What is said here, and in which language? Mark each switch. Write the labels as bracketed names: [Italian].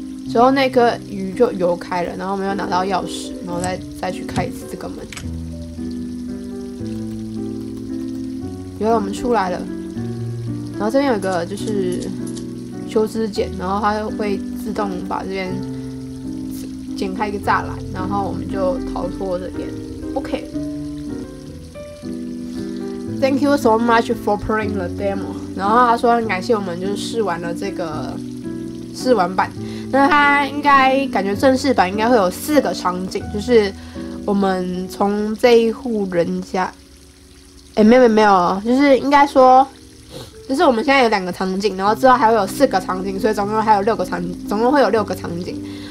[Chinese] 之后那颗鱼就游开了，然后我们又拿到钥匙，然后再去开一次这个门。原来我们出来了，然后这边有一个就是修枝剪，然后它会自动把这边剪开一个栅栏，然后我们就逃脱这边。 [English] OK， Thank you so much for playing the demo。 [Chinese] 然后他说很感谢我们就是试玩了这个试玩版。那它应该感觉正式版应该会有4个场景，就是我们从这一户人家，欸，没有，就是应该说，就是我们现在有2个场景，然后之后还会有4个场景，所以总共还有6个场景，总共会有6个场景。